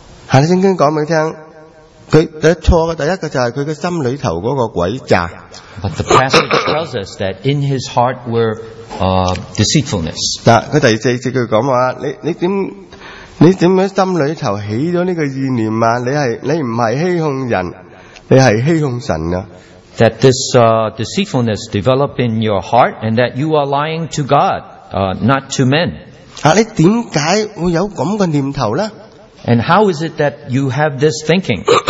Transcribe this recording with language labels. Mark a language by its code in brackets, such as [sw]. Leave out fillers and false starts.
[zh] 聖經告訴你, 他錯的第一個就是他心裡的詭詐。 [en] But the passage tells us that in his heart were deceitfulness. [zh] 他第二節他就說,你怎麼心裡起了這個意念,你不是欺哄人,你是欺哄神的。 [en] That this deceitfulness developed in your heart and that you are lying to God, not to men. [zh] 你為什麼會有這樣的念頭呢? [en] And how is it that you have this thinking?